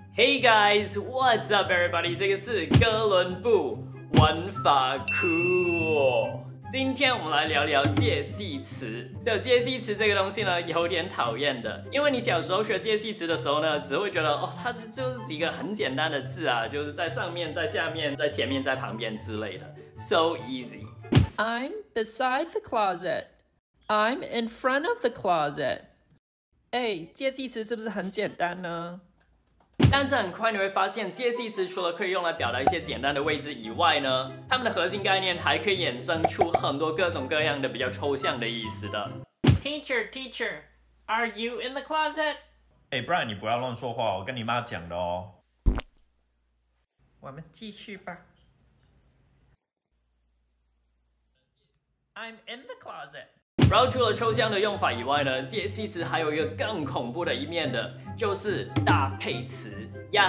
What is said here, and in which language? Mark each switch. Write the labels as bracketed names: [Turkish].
[English] Hey guys, what's up everybody? [Chinese] 这个是哥伦布文法库。今天我们来聊聊介系词。所以介系词这个东西呢，有点讨厌的，因为你小时候学介系词的时候呢，只会觉得哦，它就是几个很简单的字啊，就是在上面、在下面、在前面、在旁边之类的。 [English] So easy. I'm beside the closet. I'm in front of the closet. [Chinese] 哎，介系词是不是很简单呢？但是很快你会发现，介系词除了可以用来表达一些简单的位置以外呢，它们的核心概念还可以衍生出很多各种各样的比较抽象的意思的。 [English] Teacher, teacher, are you in the closet? [Chinese] 哎，不然你不要乱说话，我跟你妈讲的哦。我们继续吧。 [English] I'm in the closet. [Chinese] 然后除了抽象的用法以外呢，介系词还有一个更恐怖的一面的，就是搭配词呀。